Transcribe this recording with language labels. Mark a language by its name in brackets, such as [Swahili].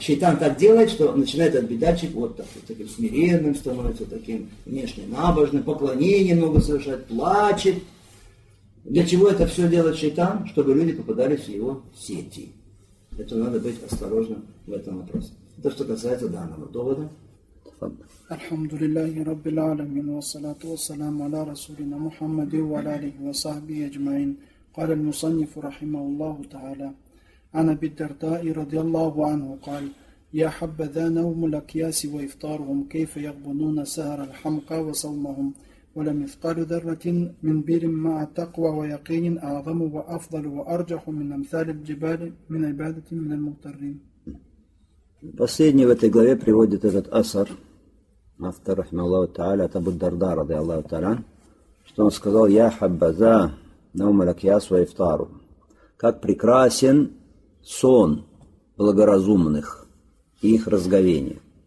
[Russian] Шайтан так делает, что начинает этот бедатчик вот так, вот таким смиренным становится, таким внешне набожным, поклонение много совершает, плачет. Для чего это все делает шайтан? Чтобы люди попадались в его сети. Это надо быть осторожным в этом вопросе. Это что касается данного довода. [Arabic] الحمد لله رب العالمين والصلاة والسلام على رسولنا محمد وعلى آله وصحبه أجمعين قال المصنف رحمه الله تعالى عن أبي الدرداء رضي الله عنه قال يا حبذا نوم الأكياس وإفطارهم كيف يقبضون سهر الحمقى وصومهم ولم يفطر ذرة من بير مع تقوى ويقين أعظم وأفضل وأرجح من أمثال الجبال من عبادة من المغترين. [Russian] Последний в этой главе приводит этот асар, автор, рахмаллаху та'аля, от Абу Дарда, ради Аллаху та'аля, что он сказал: [Arabic] «Я хаббаза наум лакьяс ва ифтару». [Russian] Как прекрасен сон благоразумных и их разговение.